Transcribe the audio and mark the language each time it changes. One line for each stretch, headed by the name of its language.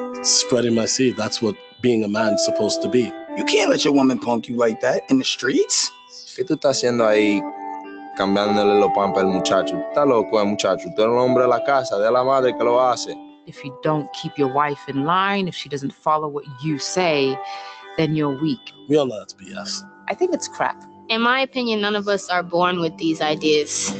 English: Spreading my seed, that's what being a man's supposed to be. You can't let your woman punk you like that in the streets.
Spanish: ¿Qué tú estás haciendo ahí cambiándole los pampas al muchacho? Está loco el muchacho. Tú eres el hombre de la casa, de la madre que lo hace.
English: If you don't keep your wife in line, if she doesn't follow what you say, then you're weak. We all know that's BS. I think it's crap. In my opinion, none of us are born with these ideas.